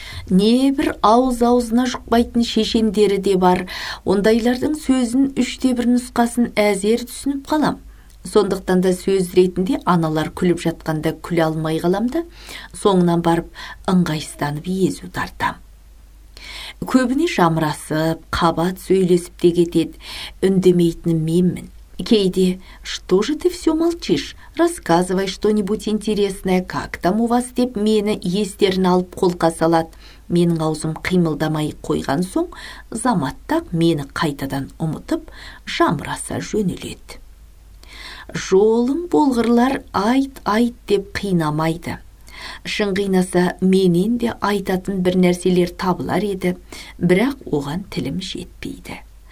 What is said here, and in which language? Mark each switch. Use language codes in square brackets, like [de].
[kk] Небір ауыз-ауызына жұқпайтын шешендері де бар, ондайлардың сөзін үште бір нұсқасын әзер түсініп қалам. Сондықтан да сөз ретінде аналар күліп жатқанда күле алмай қаламды, соңынан барып ыңғайсызданып езу тартам. көбіне жамырасып, қабат сөйлесіп те кетеді. Үндемейтінім менмін. Кейде, [ru] что же ты все молчишь? Рассказывай что-нибудь интересное, как там у вас, [kk] деп мені естерін алып қолқа салады. Менің аузым қимылдамай қойған соң, заматтақ мені қайтадан ұмытып, жамыраса жөнеледі. Жолым болғырлар айт-айт деп қинамайды. Шын қинаса, менен де айтатын бір нәрселер табылар еді, бірақ оған тілім жетпейді.